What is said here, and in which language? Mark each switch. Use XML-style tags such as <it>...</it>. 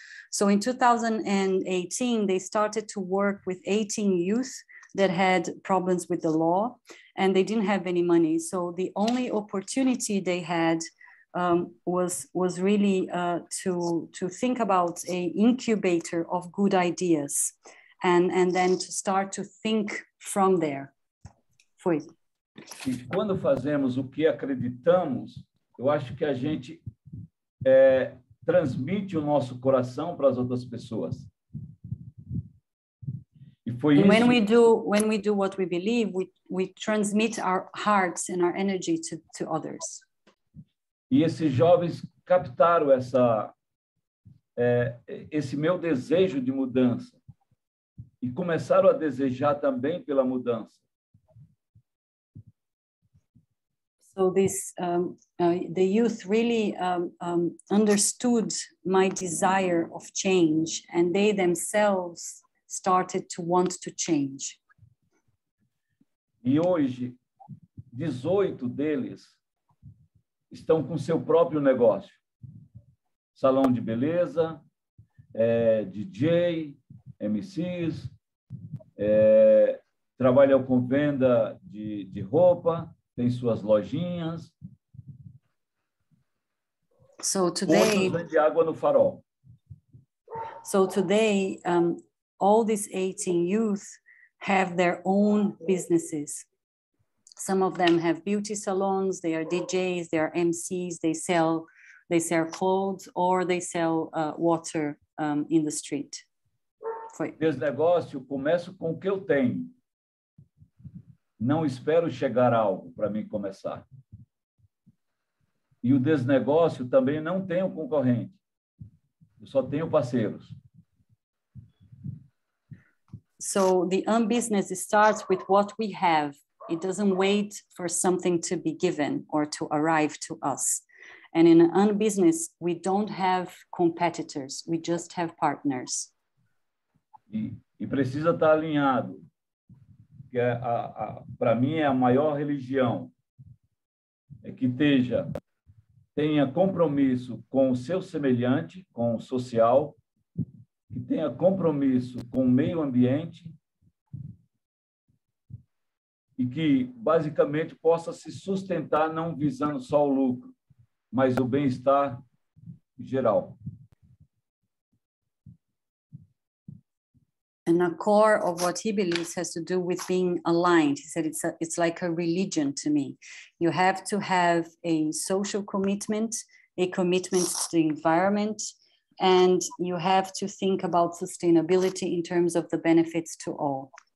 <en>So in 2018 they started to work with 18 youth that had problems with the law, and they didn't have any money. So the only opportunity they had was really to think about an incubator of good ideas, and then to start to think from there.</en> <pt>Foi. E quando fazemos o que acreditamos, eu acho que a gente transmite o nosso coração para as outras pessoas.</pt> <en>And when we do what we believe, we transmit our hearts and our energy to others.</en> <pt>E esses jovens captaram essa esse meu desejo de mudança e começaram a desejar também pela mudança.</pt> <en>So this the youth really understood my desire of change, and they themselves started to want to change.</en> <pt>E hoje, 18 deles estão com seu próprio negócio. Salão de beleza, DJ, MCs, trabalham com venda de roupa, tem suas lojinhas.</pt> <en>So today...</en> <pt>Outros de água no farol.</pt> <en>So today... all these 18 youth have their own businesses. Some of them have beauty salons, they are DJs, they are MCs, they sell clothes, or they sell water in the street.</en> <pt>Meu negócio começo com o que eu tenho. Não espero chegar algo para mim começar. E o desnegócio também não tem um concorrente. Eu só tenho parceiros.</pt> <en>So the un-business starts with what we have. It doesn't wait for something to be given or to arrive to us. And in an un-business, we don't have competitors. We just have partners.</en> <pt>E precisa estar alinhado. Que para mim é a maior religião. É que tenha compromisso com o seu semelhante, com o social, que tenha compromisso com o meio ambiente e que, basicamente, possa se sustentar não visando só o lucro, mas o bem-estar geral.</pt> <en>And a core of what he believes has to do with being aligned. He said it's like a religion to me. You have to have a social commitment, a commitment to the environment, and you have to think about sustainability in terms of the benefits to all.</en>